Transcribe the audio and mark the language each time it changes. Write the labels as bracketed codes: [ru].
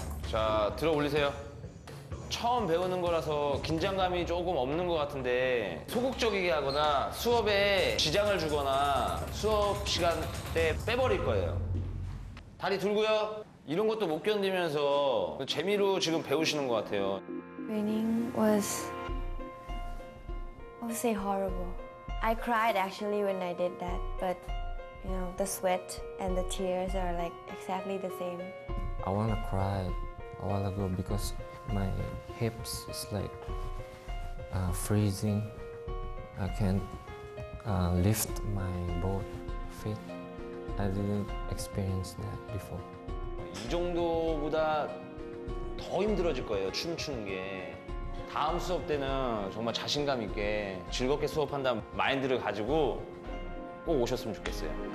[ko] 자, 들어 올리세요. 처음 배우는 거라서 긴장감이 조금 없는 것 같은데 소극적이게 하거나 수업에 지장을 주거나 수업 시간 때 빼버릴 거예요. 다리 들고요. 이런 것도 못 견디면서 재미로 지금 배우시는 것 같아요. [en] Training was, I would say horrible. I cried actually when I did that, but you know, the sweat and the tears are like exactly the same. I wanna cry a while ago because my hips is like freezing. I can't lift my both feet. I didn't experience that before. [ko] 이 정도보다 더 힘들어질 거예요, 춤추는 게. 다음 수업 때는 정말 자신감 있게 즐겁게 수업한다는 마인드를 가지고 꼭 오셨으면 좋겠어요.